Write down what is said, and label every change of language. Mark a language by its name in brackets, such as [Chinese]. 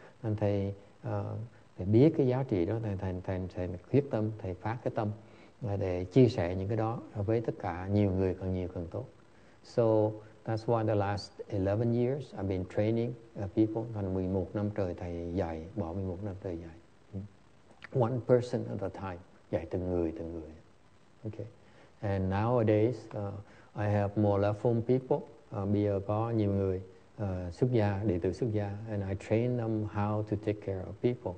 [Vietnamese] And thầy biết cái giá trị đó, thầy quyết tâm, thầy phát cái tâm để chia sẻ những cái đó với tất cả nhiều người càng nhiều càng tốt. [English] So that's why the last 11 years I've been training people. [Vietnamese] Thành 11 năm trời thầy dạy, bỏ 11 năm trời dạy. [English] One person at a time, [Vietnamese] dạy từng người. Okay. [English] And nowadays, I have more level people. [Vietnamese] Bây giờ có nhiều người xuất gia, đệ tử xuất gia, [English] and I train them how to take care of people.